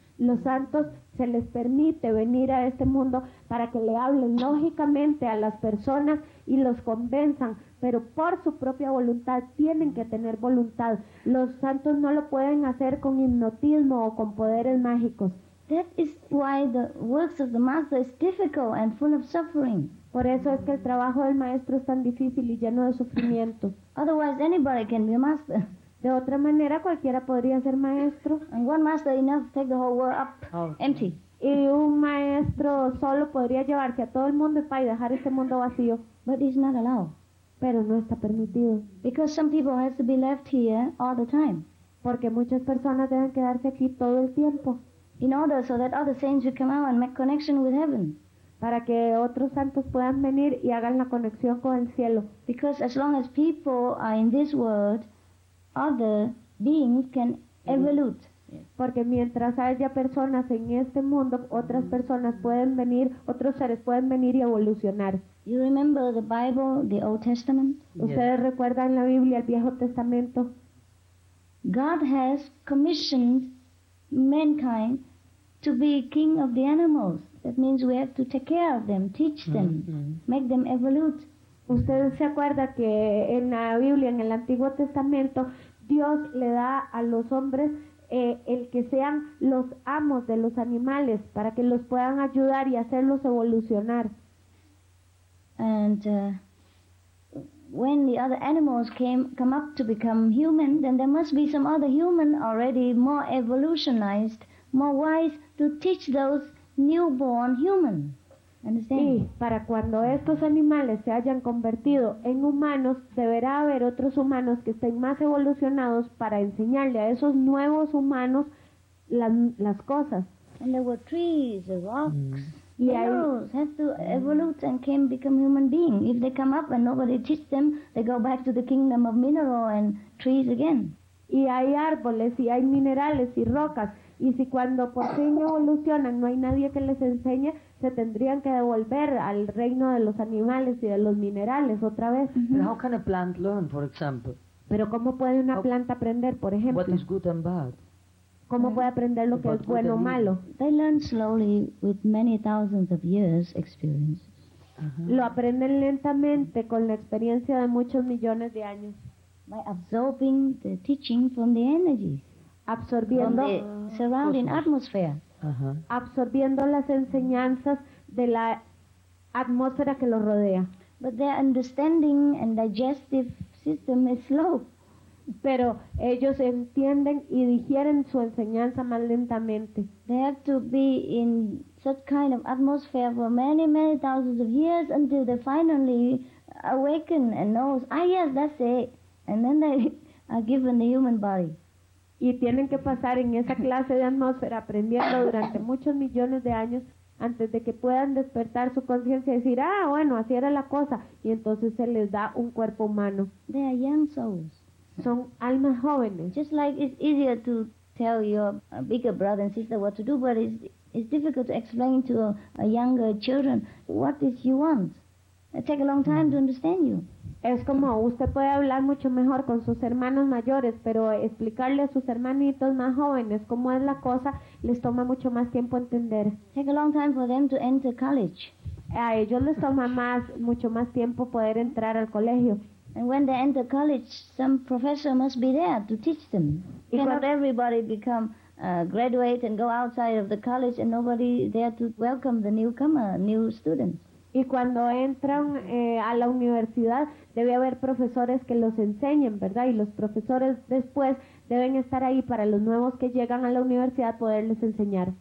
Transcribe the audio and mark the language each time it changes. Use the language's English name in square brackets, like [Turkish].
[Spanish] Los santos se les permite venir a este mundo para que le hablen lógicamente a las personas y los convenzan, pero por su propia voluntad tienen que tener voluntad. Los santos no lo pueden hacer con hipnotismo o con poderes mágicos. [English] That is why the works of the master is difficult and full of suffering. [Spanish] Por eso es que el trabajo del maestro es tan difícil y lleno de sufrimiento. [English] Otherwise anybody can be a master. [Spanish] De otra manera cualquiera podría ser maestro. [English] And one master enough to take the whole world up empty. [Spanish] Y un maestro solo podría llevarse a todo el mundo y dejar este mundo vacío. [English] But it's not allowed. [Spanish] Pero no está permitido. [English] Because some people have to be left here all the time. [Spanish] Porque muchas personas deben quedarse aquí todo el tiempo. [English] In order so that other saints would come out and make connection with heaven. [Spanish] Para que otros santos puedan venir y hagan la conexión con el cielo. [English] Because as long as people are in this world, other beings can evolute. [Spanish] Porque mientras haya personas en este mundo, otras personas pueden venir, otros seres pueden venir y evolucionar. [English] You remember the Bible, the Old Testament? [Spanish] ¿Ustedes recuerdan la Biblia, el Viejo Testamento? [English] God has commissioned mankind to be king of the animals. That means we have to take care of them, teach them, make them evolute. [Spanish] ¿Usted se acuerda que en la Biblia, en el Antiguo Testamento, Dios le da a los hombres el que sean los amos de los animales para que los puedan ayudar y hacerlos evolucionar? [English] And when the other animals come up to become human, then there must be some other human already more evolutionized, more wise to teach those newborn humans. [Spanish] Y para cuando estos animales se hayan convertido en humanos, deberá haber otros humanos que estén más evolucionados para enseñarle a esos nuevos humanos las cosas. [English] And there were trees, rocks, minerals have to evolute and can become human being. If they come up and nobody teach them, they go back to the kingdom of mineral and trees again. [Spanish] Y hay árboles y hay minerales y rocas. Y si cuando por fin evolucionan no hay nadie que les enseñe, se tendrían que devolver al reino de los animales y de los minerales otra vez. [English] But how can a plant learn, for example? [Spanish] Pero ¿cómo puede una planta aprender, por ejemplo? [English] What is good and bad? [Spanish] ¿Cómo puede aprender lo que es bueno o malo? [English] They learn slowly with many thousands of years experience. [Spanish] Lo aprenden lentamente con la experiencia de muchos millones de años. [English] By absorbing the teaching from the energy. [Spanish] Absorbiendo [English] surrounding atmosphere. [Spanish] Absorbiendo las enseñanzas de la atmósfera que los rodea. [English] But their understanding and digestive system is slow. [Spanish] Pero ellos entienden y digieren su enseñanza más lentamente. [English] They have to be in such kind of atmosphere for many, many thousands of years until they finally awaken and know, ah, yes, that's it. And then they are given the human body. [Spanish] Y tienen que pasar en esa clase de atmósfera aprendiendo durante muchos millones de años antes de que puedan despertar su conciencia y decir, ah, bueno, así era la cosa. Y entonces se les da un cuerpo humano. [English] They are young souls. [Spanish] Son almas jóvenes. [English] Just like it's easier to tell your bigger brother and sister what to do, but it's difficult to explain to a younger children what is you want. It takes a long time to understand you. [Spanish] Es como usted puede hablar mucho mejor con sus hermanos mayores, pero explicarle a sus hermanitos más jóvenes cómo es la cosa les toma mucho más tiempo entender. [English] Take a long time for them to enter college. [Spanish] A ellos les toma mucho más tiempo poder entrar al colegio. [English] And when they enter college, some professor must be there to teach them. Cannot everybody become graduate and go outside of the college and nobody there to welcome the newcomer, new students. [Spanish] Y cuando entran a la universidad, debe haber profesores que los enseñen, ¿verdad? Y los profesores después deben estar ahí para los nuevos que llegan a la universidad poderles enseñar.